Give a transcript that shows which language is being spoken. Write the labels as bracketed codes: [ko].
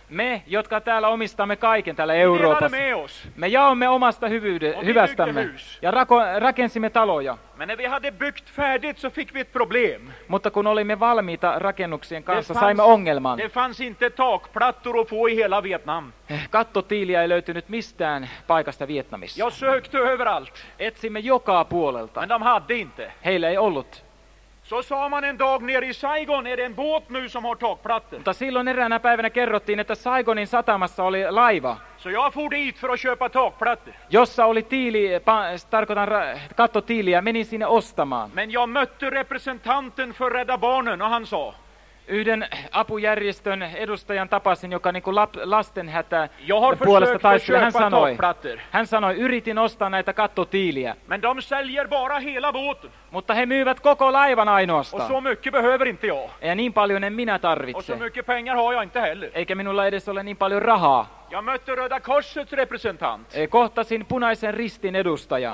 [fi] Me, jotka täällä omistamme kaiken täällä Euroopassa. [sv] Me delade med oss. [fi] Me jaomme omasta hyvästämme. Ja rakensimme taloja. [sv] Men när vi hade byggt färdigt så fick vi ett problem. [fi] Mutta kun olimme valmiita rakennuksien kanssa, saimme ongelman. [sv] Det fanns inte takplattor att få i hela Vietnam. [fi] Kattotiiliä ei löytynyt mistään paikasta Vietnamissa. [sv] Jag sökte överallt. [fi] Etsimme joka puolelta. [sv] Men de hade inte. [fi] Heillä ei ollut. [sv] Så sa man en dag nere i Saigon, är det en båt nu som har takplattor? [fi] Mutta silloin eräänä päivänä kerrottiin, että Saigonin satamassa oli laiva. [sv] Så jag for dit för att köpa takplattor. [fi] Jossa oli tiili, tarkoitan kattotiiliä, menin sinne ostamaan. [sv] Men jag mötte representanten för Rädda Barnen och han sa. [fi] Yhden apujärjestön edustajan tapasin, joka niin kuin lasten hätä puolesta taistui. Hän sanoi, yritin ostaa näitä kattotiiliä. [sv] Men de säljer bara hela båten. [fi] Mutta he myyvät koko laivan ainoastaan. [sv] Och så mycket behöver inte jag. [fi] Ja niin paljon en minä tarvitse. [sv] Och så mycket pengar har jag inte heller. [fi] Eikä minulla edes ole niin paljon rahaa. [sv] Jag mötte Röda korsets representant. [fi] Kohtasin Punaisen ristin edustajan.